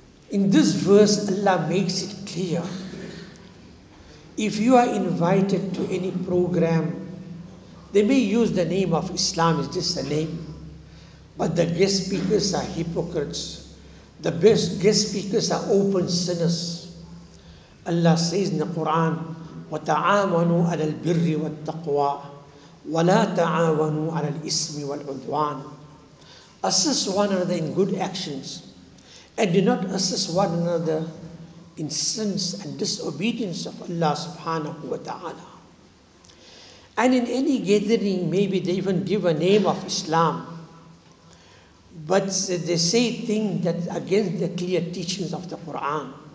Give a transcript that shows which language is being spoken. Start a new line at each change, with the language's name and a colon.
English: In this verse, Allah makes it clear. If you are invited to any program, they may use the name of Islam, it's just a name. But the guest speakers are hypocrites. The best guest speakers are open sinners. Allah says in the Quran,
Arabic: وَتَعَامَنُوا عَلَى الْبِرِّ وَالتَّقْوَىٰ وَلَا تَعَاوَنُوا عَلَى الْإِسْمِ وَالْعُدْوَانِ.
English: Assist one another in good actions and do not assist one another in sins and disobedience of Allah subhanahu wa ta'ala. And in any gathering, maybe they even give a name of Islam, but they say things that against the clear teachings of the Quran.